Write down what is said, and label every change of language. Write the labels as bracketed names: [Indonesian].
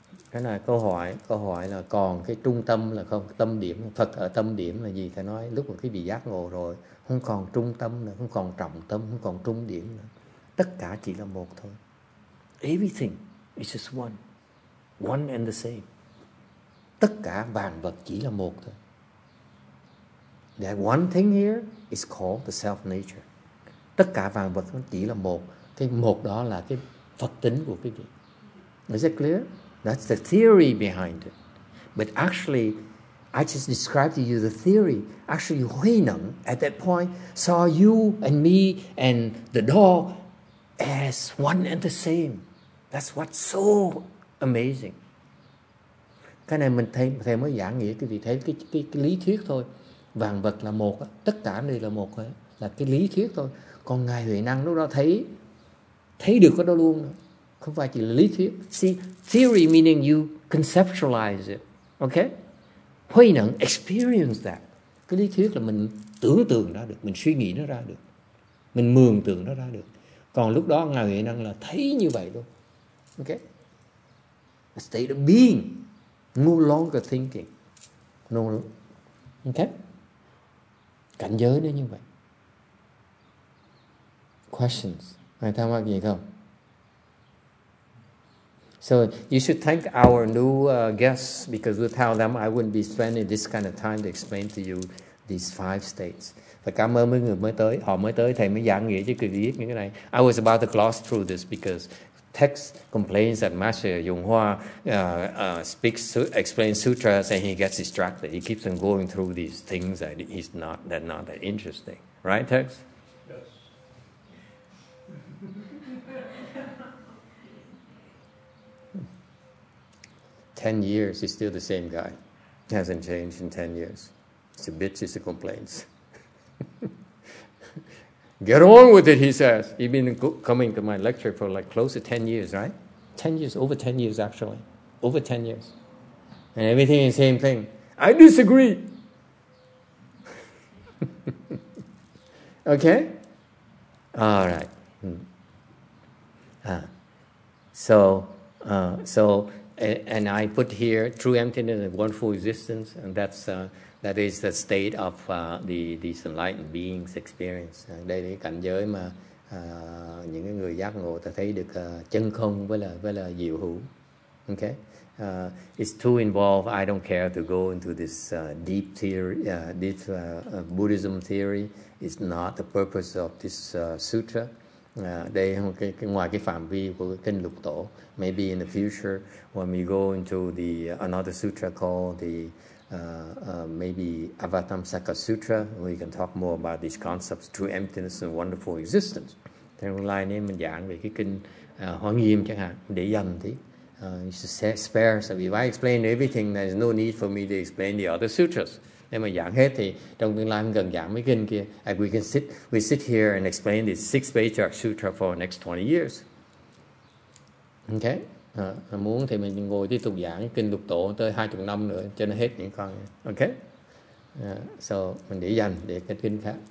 [Vietnamese] Cái này câu hỏi là còn cái trung tâm là không? Tâm điểm, Phật ở tâm điểm là gì? Thầy nói lúc mà cái vị giác ngộ rồi, không còn trung tâm nữa, không còn trọng tâm, không còn trung điểm nữa. Tất cả chỉ là một thôi. [English] Everything. It's just one. One and the same. [Vietnamese] Tất cả vạn vật chỉ là một thôi. [English] That one thing here is called the self nature. [Vietnamese] Tất cả vạn vật chỉ là một. Cái một đó là cái Phật tính của cái gì. [English] Is that clear? That's the theory behind it. But actually, I just described to you the theory. Actually, Huy Nhẫn at that point saw you and me and the dog as one and the same. That's what's so amazing. [Vietnamese] Cái này mình thấy, thầy mới giảng nghĩa cái gì thấy cái lý thuyết thôi. Vạn vật là một, tất cả đều là một thôi, là cái lý thuyết thôi. Còn ngài Huệ Năng lúc đó thấy được cái đó luôn, không phải chỉ là lý thuyết. [English] See, theory meaning you conceptualize it, okay? [Vietnamese] Huệ Năng [English] experience that. [Vietnamese] Cái lý thuyết là mình tưởng tượng ra được, mình suy nghĩ nó ra được, mình mường tượng nó ra được. Còn lúc đó ngài Huệ Năng là thấy như vậy luôn. [English] Okay. A state of being, no longer thinking. No. Okay. [Vietnamese] Cảnh giới nó như vậy. Questions. Ai thắc mắc gì không? [English] So you should thank our new guests because without them I wouldn't be spending this kind of time to explain to you these five states. [Vietnamese] Và cảm ơn mấy người mới tới, họ mới tới thầy mới giảng nghĩa cho quý vị biết những cái này. [English] I was about to gloss through this because text complains that Master Yonghua speaks, explains sutras, and he gets distracted. He keeps on going through these things that he's not that not that interesting, right? Text. Yes. Ten years, he's still the same guy. He hasn't changed in 10 years. It's a bitch. It's a complaint. Get on with it, he says. He's been coming to my lecture for like close to 10 years, right? 10 years, over 10 years actually. Over 10 years. And everything is the same thing. I disagree. Okay? All right. So I put here true emptiness and wonderful existence, and that's... That is the state of these enlightened beings' experience. [Vietnamese] Đây là cảnh giới mà những người giác ngộ ta thấy được chân không với là diệu hữu. [English] Okay? It's too involved. I don't care to go into this deep theory, Buddhism theory. It's not the purpose of this sutra. [Vietnamese] Đây không cái ngoài cái phạm vi của cái kinh Lục Tổ. [English] Maybe in the future when we go into the another sutra called the maybe Avatamsaka Sutra, we can talk more about these concepts, true emptiness and wonderful existence. [Vietnamese] Thế tương lai nếu mình giảng về cái kinh Hoa Nghiêm chẳng hạn, để dành thì spare. [English] So if I explain everything, there's no need for me to explain the other sutras. [Vietnamese] Nếu mà giảng hết thì trong tương lai mình cần giảng mấy kinh kia. [English] Like we can sit, we sit here and explain the six Vajra sutra for the next 20 years. Okay? [Vietnamese] Muốn thì mình ngồi tiếp tục giảng kinh Lục Tổ tới 20 năm nữa cho nó hết những con. Okay? So mình để dành để cái kinh khác.